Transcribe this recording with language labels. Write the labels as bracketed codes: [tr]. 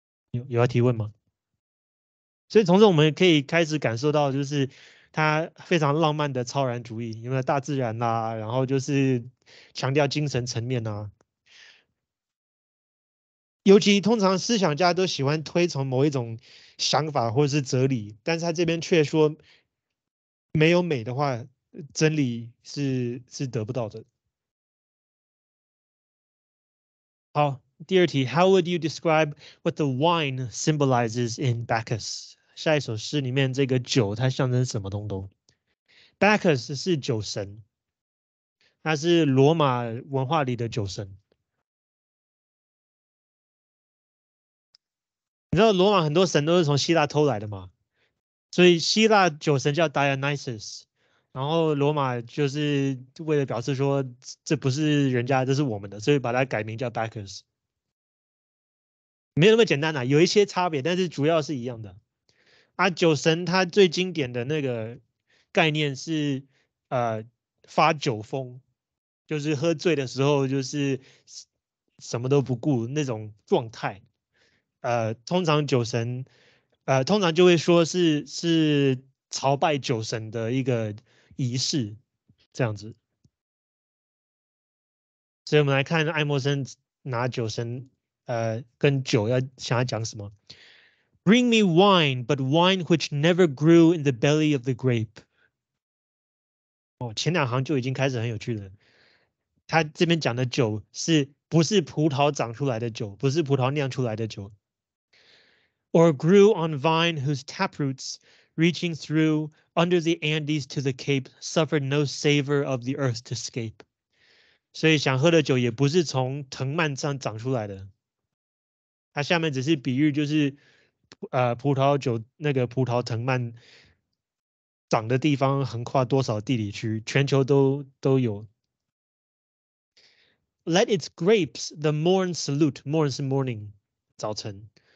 [zh] 有要提问吗？所以从这我们可以开始感受到，就是他非常浪漫的超然主义，有没有大自然啊，然后就是强调精神层面啊。尤其通常思想家都喜欢推崇某一种想法或是哲理，但是他这边却说没有美的话，真理 是得不到的。好，第二题， [en] How would you describe what the wine symbolizes in Bacchus？ [zh] 下一首诗里面这个酒它象征什么东东？ Bacchus 是酒神，它是罗马文化里的酒神。你知道罗马很多神都是从希腊偷来的吗？所以希腊酒神叫 Dionysus，然后罗马就是为了表示说这不是人家，这是我们的，所以把它改名叫 Bacchus。没有那么简单啦、啊、有一些差别，但是主要是一样的。啊，酒神他最经典的那个概念是发酒疯，就是喝醉的时候就是什么都不顾那种状态。通常酒神通常就会说是朝拜酒神的一个仪式这样子。所以我们来看爱默生拿酒神跟酒要想要讲什么。 [en] Bring me wine, but wine which never grew in the belly of the grape. [zh] 哦，前两行就已经开始很有趣了。他这边讲的酒是不是葡萄长出来的酒，不是葡萄酿出来的酒。 [en] Or grew on vine whose taproots, reaching through under the Andes to the Cape, suffered no savor of the earth to escape. [zh] 所以想喝的酒也不是从藤蔓上长出来的。他下面只是比喻，就是葡萄酒那个葡萄藤蔓长的地方横跨多少地理区，全球都有。 [en] Let its grapes the morn salute, morn [zh] 是 [en] morning, [zh] 早晨。